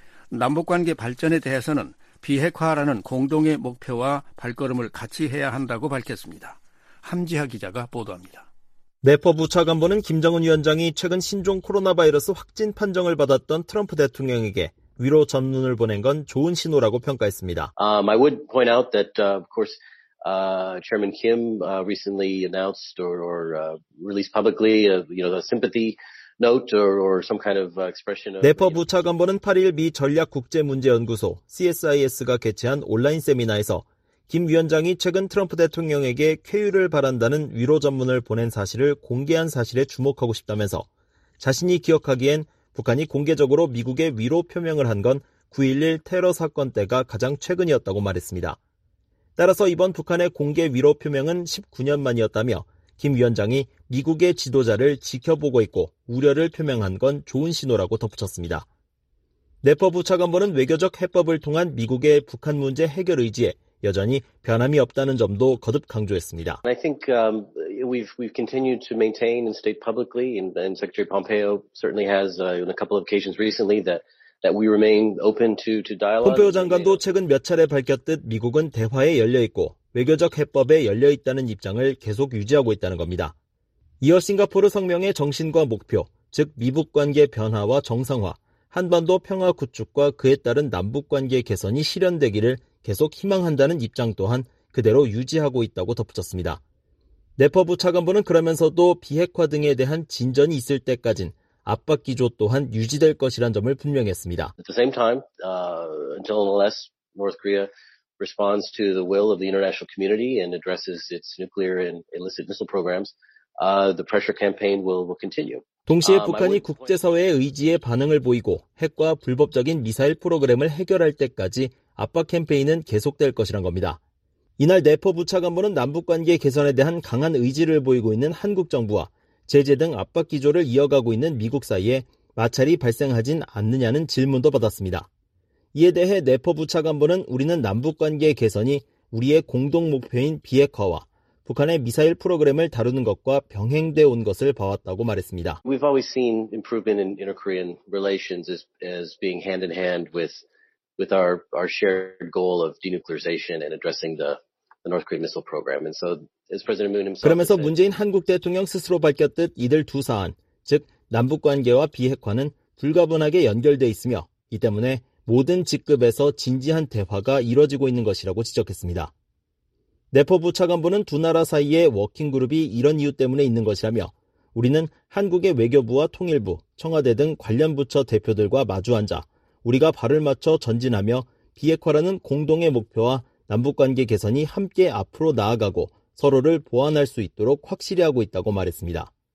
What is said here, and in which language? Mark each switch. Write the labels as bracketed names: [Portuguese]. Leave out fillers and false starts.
[Korean] 남북관계 발전에 대해서는 비핵화라는 공동의 목표와 발걸음을 같이 해야 한다고 밝혔습니다. 함지하 기자가 보도합니다. 네퍼 부차관보는 김정은 위원장이 최근 신종 코로나 바이러스 확진 판정을 받았던 트럼프 대통령에게 위로 전문을 보낸 건 좋은 신호라고 평가했습니다. [English] I would point out that of course Chairman Kim recently announced or released publicly the sympathy note or some kind of expression of [Korean] 네퍼 부차관보는 8일 미 전략 국제 문제 연구소 CSIS가 개최한 온라인 세미나에서 김 위원장이 최근 트럼프 대통령에게 쾌유를 바란다는 위로 전문을 보낸 사실을 공개한 사실에 주목하고 싶다면서 자신이 기억하기엔 북한이 공개적으로 미국에 위로 표명을 한 건 9.11 테러 사건 때가 가장 최근이었다고 말했습니다. 따라서 이번 북한의 공개 위로 표명은 19년 만이었다며 김 위원장이 미국의 지도자를 지켜보고 있고 우려를 표명한 건 좋은 신호라고 덧붙였습니다. 네퍼 부차관보는 외교적 해법을 통한 미국의 북한 문제 해결 의지에 여전히 변함이 없다는 점도 거듭 강조했습니다. [English] I think we've continued to maintain and state publicly, and Secretary Pompeo certainly has on a couple of occasions recently that we remain open to dialogue. [Korean] 폼페이오 장관도 최근 몇 차례 밝혔듯 미국은 대화에 열려 있고 외교적 해법에 열려 있다는 입장을 계속 유지하고 있다는 겁니다. 이어 싱가포르 성명의 정신과 목표, 즉 미북 관계 변화와 정상화, 한반도 평화 구축과 그에 따른 남북 관계 개선이 실현되기를 계속 희망한다는 입장 또한 그대로 유지하고 있다고 덧붙였습니다. 네퍼 부차관보는 그러면서도 비핵화 등에 대한 진전이 있을 때까진 압박 기조 또한 유지될 것이란 점을 분명했습니다. [English] At the same time, until unless North Korea responds to the will of the international community and addresses its nuclear and illicit missile programs, the pressure campaign will continue. [Korean] 동시에 북한이 국제사회의 의지에 반응을 보이고 핵과 불법적인 미사일 프로그램을 해결할 때까지 압박 캠페인은 계속될 것이란 겁니다. 이날 네퍼 부차관보는 남북관계 개선에 대한 강한 의지를 보이고 있는 한국 정부와 제재 등 압박 기조를 이어가고 있는 미국 사이에 마찰이 발생하진 않느냐는 질문도 받았습니다. 이에 대해 내포 부차관보는 우리는 남북관계 개선이 우리의 공동 목표인 비핵화와 북한의 미사일 프로그램을 다루는 것과 병행돼 온 것을 봐왔다고 말했습니다. [English] We've always seen improvement in inter-Korean relations as being hand in hand with our shared goal of denuclearization and addressing the North Korean missile program. And so as President Moon himself [Korean] 그러면서 문재인 한국 대통령 스스로 밝혔듯 이들 두 사안, 즉 남북 관계와 비핵화는 불가분하게 연결돼 있으며 이 때문에 모든 직급에서 진지한 대화가 이뤄지고 있는 것이라고 지적했습니다. 내포 부차관보는 두 나라 사이에 워킹그룹이 이런 이유 때문에 있는 것이라며 우리는 한국의 외교부와 통일부, 청와대 등 관련 부처 대표들과 마주앉아 우리가 발을 맞춰 전진하며 비핵화라는 공동의 목표와 남북관계 개선이 함께 앞으로 나아가고 서로를 보완할 수 있도록 확실히 하고 있다고 말했습니다.